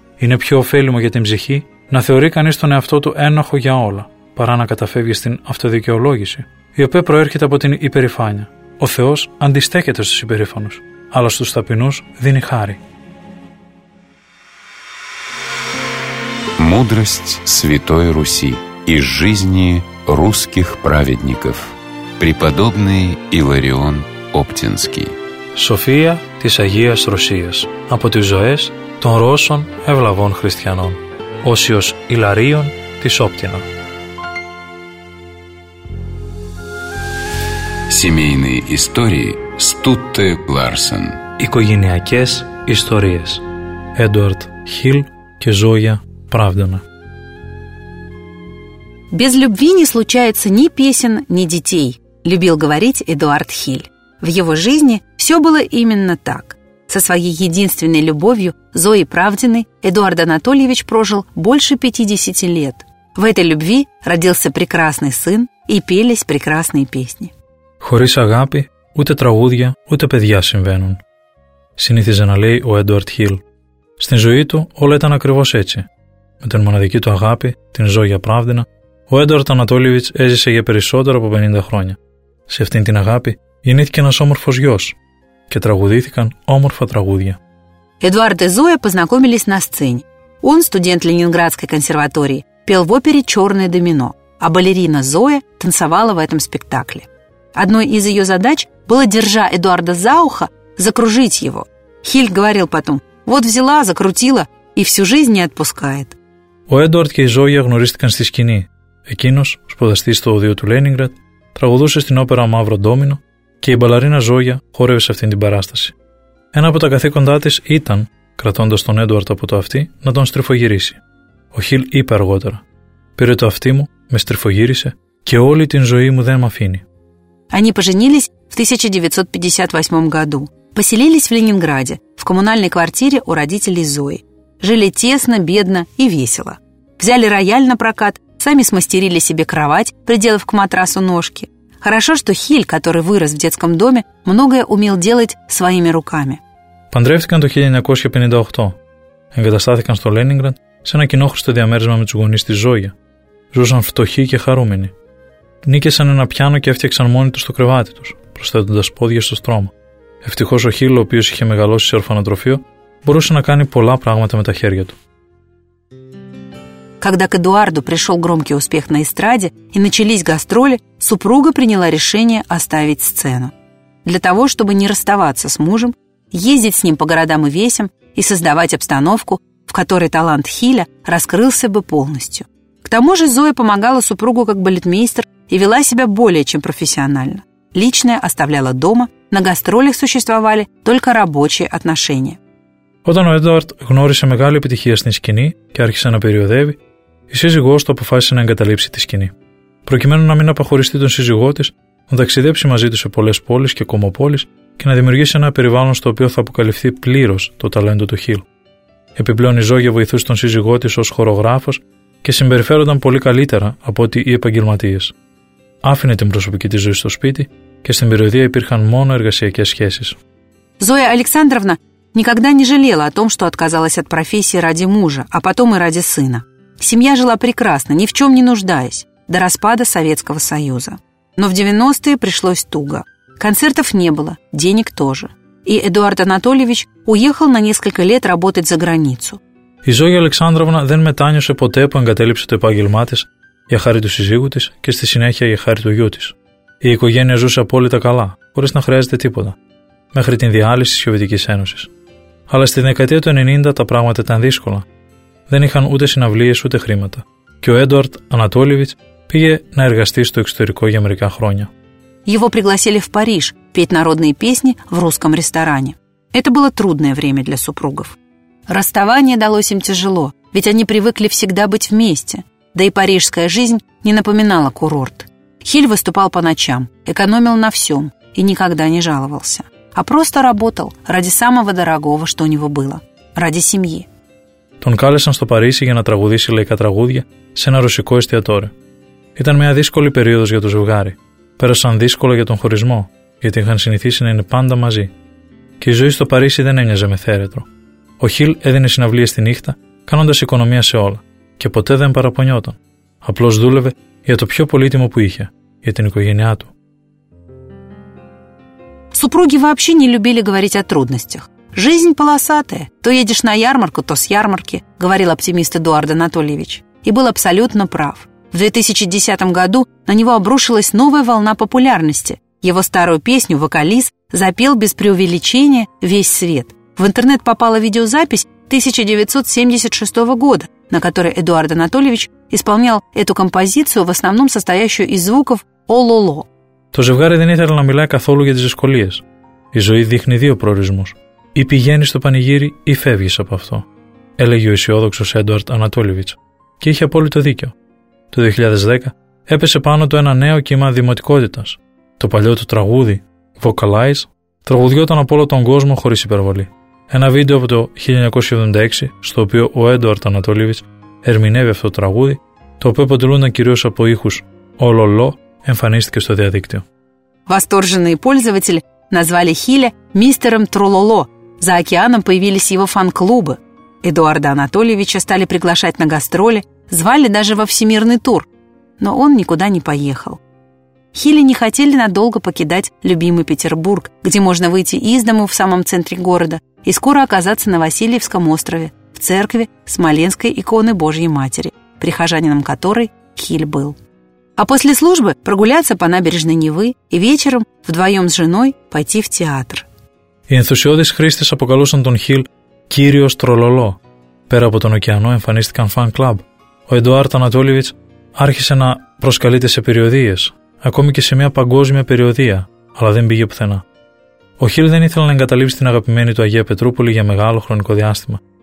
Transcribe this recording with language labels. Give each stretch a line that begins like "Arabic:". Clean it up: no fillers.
Greek: Είναι πιο ωφέλιμο για την ψυχή να θεωρεί κανείς τον εαυτό του ένοχο για όλα, παρά να καταφεύγει στην αυτοδικαιολόγηση, η οποία προέρχεται από την υπερηφάνεια. Ο Θεός αντιστέκεται στους υπερήφανους, αλλά στους ταπεινούς δίνει χάρη.
Russian: Мудрость Святой Руси из жизни русских праведников. Преподобный Иларион Оптинский.
Greek: София της Αγίας Ρωσίας. Από τις ζωές των Ρώσων ευλαβών χριστιανών. Όσιος Ιλαρίων της Όπτινα.
Russian: Семейные истории Стутте Ларсен.
Greek: Οικογενειακές ιστορίες.
Russian: Эдуард Хилл
Greek: και
Russian: Ζόγια Правдана. «Без любви не случается ни песен, ни детей», – любил говорить Эдуард Хиль. В его жизни все было именно так. Со своей единственной любовью, Зоей Правдиной, Эдуард Анатольевич прожил больше 50 лет. В этой любви родился прекрасный сын и пелись прекрасные песни.
Greek: «Хорис агапи, уте траудья, уте педья симвенун», – синитизе на лей о Эдуард Хиль. Στην ζωή του όλα ήταν ακριβώς έτσι. Με την μοναδική του αγάπη, την Ζόγια Πράβδινα, ο Έντουαρντ Ανατόλιεβιτς έζησε για περισσότερο από 50 χρόνια. Σε αυτήν την αγάπη γεννήθηκε ένας όμορφος γιος και τραγουδήθηκαν όμορφα τραγούδια.
Russian: Эдуард и Зоя познакомились на сцене. Он, студент Ленинградской консерватории, пел в опере «Черное домино», а балерина Зоя танцевала в этом спектакле. Одной из ее задач было, держа Эдуарда за ухо, закружить его. Хиль говорил потом: «Вот взяла, закрутила и всю жизнь не отпускает».
Greek: Ο Έντουαρντ και η Ζόγια γνωρίστηκαν στη σκηνή. Εκείνος, σπουδαστής στο οδείο του Λένιγκρατ, τραγουδούσε στην όπερα «Μαύρο Ντόμινο» και η μπαλαρίνα Ζόγια χόρευε σε αυτήν την παράσταση. Ένα από τα καθήκοντά της ήταν, κρατώντας τον Έντουαρντ από το αυτί, να τον στριφογυρίσει. Ο Χιλ είπε αργότερα: «Πήρε το αυτί μου, με στριφογύρισε και όλη την ζωή μου δεν μ' αφήνει».
Russian: Они поженились в 1958 году. Поселились в Ленинграде, в коммунальной квартире у родителей Зои. Жили тесно, бедно и весело. Взяли рояль на прокат, сами смастерили себе кровать, приделав к матрасу ножки. Хорошо, что Хиль, который вырос в детском доме, многое умел делать своими руками.
Greek: Παντρεύτηκαν το 1958. Εγκαταστάθηκαν στο Λένιγκραντ σε ένα κοινόχρηστο διαμέρισμα με τους γονείς της Ζόγια. Ζούσαν φτωχοί και χαρούμενοι. Νίκησαν ένα πιάνο και έφτιαξαν μόνοι τους το κρεβάτι τους, προσθέτοντας πόδια στο στρώμα. Ευτυχώς ο Χίλ, ο οποίος είχε μεγαλώσει σε ορφανοτροφείο, μπορούσε να κάνει πολλά πράγματα με τα χέρια του.
Russian: Когда к Эдуарду пришел громкий успех на эстраде и начались гастроли, супруга приняла решение оставить сцену. Для того, чтобы не расставаться с мужем, ездить с ним по городам и весям и создавать обстановку, в которой талант Хиля раскрылся бы полностью. К тому же Зоя помогала супругу как балетмейстер и вела себя более чем профессионально. Личное оставляла дома, на гастролях существовали только рабочие отношения.
Greek: Όταν ο Έντουαρντ γνώρισε μεγάλη επιτυχία στην σκηνή και άρχισε να περιοδεύει, η σύζυγός του αποφάσισε να εγκαταλείψει τη σκηνή. Προκειμένου να μην αποχωριστεί τον σύζυγό της, να ταξιδέψει μαζί του σε πολλές πόλεις και κομοπόλεις και να δημιουργήσει ένα περιβάλλον στο οποίο θα αποκαλυφθεί πλήρως το ταλέντο του Χιλ. Επιπλέον, η Ζόγια βοηθούσε τον σύζυγό της ως χορογράφος και συμπεριφέρονταν πολύ καλύτερα από ό,τι οι επαγγελματίες. Άφηνε την προσωπική της ζωή στο σπίτι και στην περιοδία υπήρχαν μόνο εργασιακές σχέσεις.
Russian: Ζόγια Αλεξάνδρευνα никогда не жалела о том, что отказалась от профессии ради мужа, а потом и ради сына. Семья жила прекрасно, ни в чем не нуждаясь. до распада Советского Союза. Но в 90-е пришлось туго. Концертов не было, денег тоже. И Эдуард Анатольевич уехал на несколько лет работать за границу.
Greek: Η Ζόγια Αλεξάνδροβνα δεν μετάνιωσε ποτέ που εγκατέλειψε το επάγγελμά της για χάρη του συζύγου της και στη συνέχεια για χάρη του γιού της. Η οικογένεια ζούσε απόλυτα καλά, χωρίς να χρειάζεται τίποτα, μέχρι την διάλυση της Σοβιετικής Ένωσης. Αλλά στη δεκαετία του 90 τα πράγματα ήταν δύσκολα. Δεν είχαν ούτε συναυλίες ούτε χρήματα. Και ο Έντουαρντ Ανατόλιεβιτς πήγε να εργαστεί στο εξωτερικό για μερικά χρόνια.
Russian: Его пригласили в Париж петь народные песни в русском ресторане. Это было трудное время для супругов. Расставание далось им тяжело, ведь они привыкли всегда быть вместе. Да и парижская жизнь не напоминала курорт. Хиль выступал по ночам, экономил на всем и никогда не жаловался. А просто работал ради самого дорогого, что у него было. Ради семьи.
Greek: Τον κάλεσαν στο Παρίσι για να τραγουδήσει λαϊκά τραγούδια σε ένα ρωσικό εστιατόριο. Ήταν μια δύσκολη περίοδος για το ζευγάρι. Πέρασαν δύσκολα για τον χωρισμό, γιατί είχαν συνηθίσει να είναι πάντα μαζί. Και η ζωή στο Παρίσι δεν έμοιαζε με θέρετρο. Ο Χιλ έδινε συναυλίες τη νύχτα, κάνοντας οικονομία σε όλα, και ποτέ δεν παραπονιόταν. Απλώς δούλευε για το πιο πολύτιμο που είχε, για την οικογένειά του.
Russian: Супруги вообще не любили говорить о трудностях. Жизнь полосатая. То едешь на ярмарку, то с ярмарки, говорил оптимист Эдуард Анатольевич. И был абсолютно прав. В 2010 году на него обрушилась новая волна популярности. Его старую песню «Вокалист» запел без преувеличения весь свет. В интернет попала видеозапись 1976 года, на которой Эдуард Анатольевич исполнял эту композицию, в основном состоящую из звуков «О-ло-ло».
Greek: То ζευγάρι δεν ήθελε να μιλάει καθόλου για τις δυσκολίες. Η ζωή δείχνει δύο προορισμούς. Ή πηγαίνεις στο πανηγύρι ή φεύγεις από αυτό, έλεγε ο αισιόδοξος Έντουαρντ Ανατόλιεβιτς. Και είχε απόλυτο δίκιο. Το 2010 έπεσε πάνω του ένα νέο κύμα δημοτικότητας. Το παλιό του τραγούδι, Vocalize, τραγουδιόταν από όλο τον κόσμο χωρίς υπερβολή. Ένα βίντεο από το 1976, στο οποίο ο Έντουαρντ Ανατόλιεβιτς ερμηνεύει αυτό το τραγούδι, το οποίο αποτελούνταν κυρίως από ήχους «Ολολό», εμφανίστηκε στο διαδίκτυο.
Russian: Восторженные пользователи назвали Хиля мистером Трололо. За океаном появились его фан-клубы. Эдуарда Анатольевича стали приглашать на гастроли, звали даже во всемирный тур. Но он никуда не поехал. Хили не хотели надолго покидать любимый Петербург, где можно выйти из дому в самом центре города и скоро оказаться на Васильевском острове, в церкви Смоленской иконы Божьей Матери, прихожанином которой Хиль был. А после службы прогуляться по набережной Невы и вечером вдвоем с женой пойти в театр.
Greek: Οι ενθουσιώδεις χρήστες αποκαλούσαν τον Χιλ «Κύριος Τρολολό». Πέρα από τον ωκεανό εμφανίστηκαν φαν κλαμπ. Ο Εντουάρντ Ανατόλιεβιτς άρχισε να προσκαλείται σε περιοδίες, ακόμη και σε μια παγκόσμια περιοδία, αλλά δεν πήγε πουθενά. Ο Χιλ δεν ήθελε να εγκαταλείψει την αγαπημένη του Αγία Πετρούπολη για μεγάλο χρονικό διάστημα.